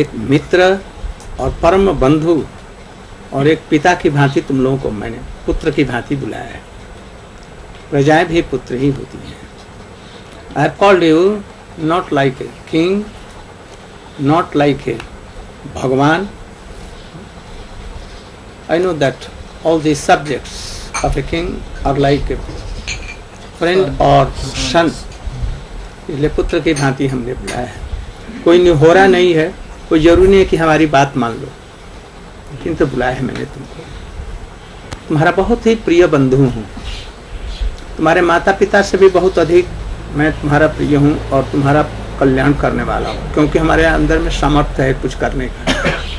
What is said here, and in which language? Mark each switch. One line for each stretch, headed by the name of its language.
Hindi: एक मित्र और परम बंधु और एक पिता की भांति तुम लोगों को मैंने पुत्र की भांति बुलाया है. प्रजाएं भी पुत्र ही होती हैं.
English: I have called you not like a king, not like a bhagwan. I know that all the subjects of a king are like a friend or son.
Hindi: इसलिए पुत्र की भांति हमने बुलाया है. कोई निहोरा नहीं है, कोई जरूरी नहीं है कि हमारी बात मान लो, लेकिन तो बुलाया है मैंने तुमको. तुम्हारा बहुत ही प्रिय बंधु हूँ. तुम्हारे माता पिता से भी बहुत अधिक मैं तुम्हारा प्रिय हूँ और तुम्हारा कल्याण करने वाला हूँ, क्योंकि हमारे अंदर में सामर्थ्य है कुछ करने का.